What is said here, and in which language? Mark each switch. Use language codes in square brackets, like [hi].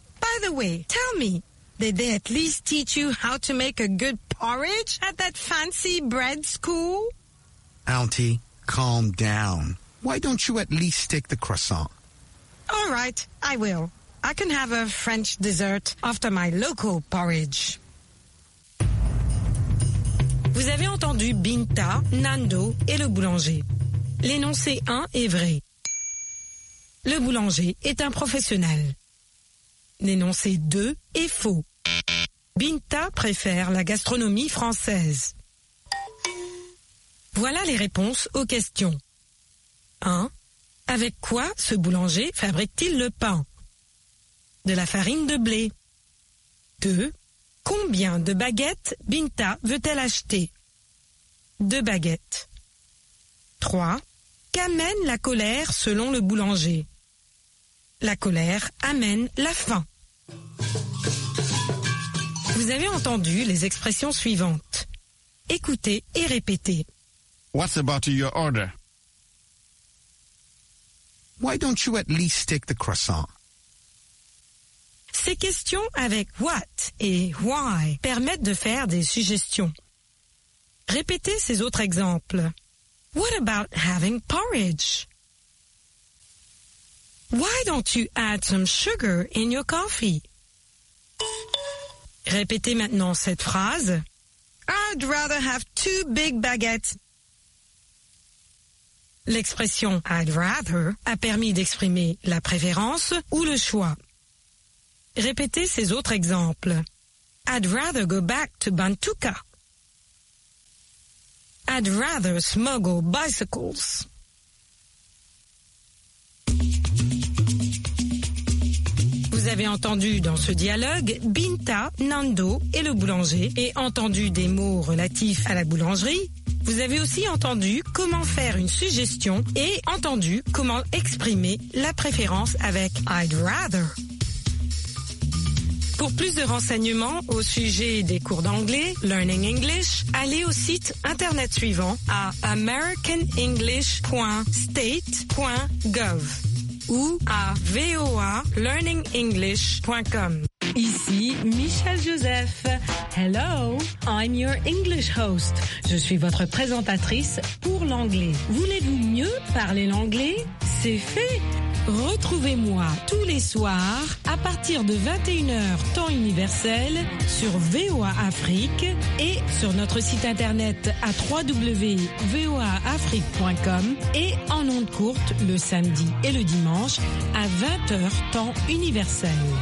[en] By the way, tell me, did they at least teach you how to make a good porridge at that fancy bread school? Auntie, calm down. Why don't you at least take the croissant? All right, I will. I can have a French dessert after my local porridge. [fr] Vous avez entendu Binta, Nando et le boulanger. L'énoncé 1 est vrai. Le boulanger est un professionnel. L'énoncé 2 est faux. Binta préfère la gastronomie française. Voilà les réponses aux questions. 1. Avec quoi ce boulanger fabrique-t-il le pain? De la farine de blé. 2. Combien de baguettes Binta veut-elle acheter? 2 baguettes. 3. Qu'amène la colère selon le boulanger? La colère amène la faim. Vous avez entendu les expressions suivantes. Écoutez et répétez. [en] What's about your order? Why don't you at least take the croissant? [fr] Ces questions avec what et why permettent de faire des suggestions. Répétez ces autres exemples. [en] What about having porridge? Why don't you add some sugar in your coffee? [fr] Répétez maintenant cette phrase. [en] I'd rather have 2 big baguettes. [fr] L'expression [en] I'd rather [fr] a permis d'exprimer la préférence ou le choix. Répétez ces autres exemples. [en] I'd rather go back to Bantuka. I'd rather smuggle bicycles. [fr] Vous avez entendu dans ce dialogue Binta, Nando et le boulanger et entendu des mots relatifs à la boulangerie. Vous avez aussi entendu comment faire une suggestion et entendu comment exprimer la préférence avec [en] I'd rather. [fr] Pour plus de renseignements au sujet des cours d'anglais, Learning English, allez au site internet suivant à americanenglish.state.gov ou à voalearningenglish.com. Ici Michel Joseph. [en] Hello, I'm your English host. [fr] Je suis votre présentatrice pour l'anglais. Voulez-vous mieux parler l'anglais? C'est fait! Retrouvez-moi tous les soirs à partir de 21h temps universel sur VOA Afrique et sur notre site internet à www.voaafrique.com et en ondes courtes le samedi et le dimanche à 20h temps universel.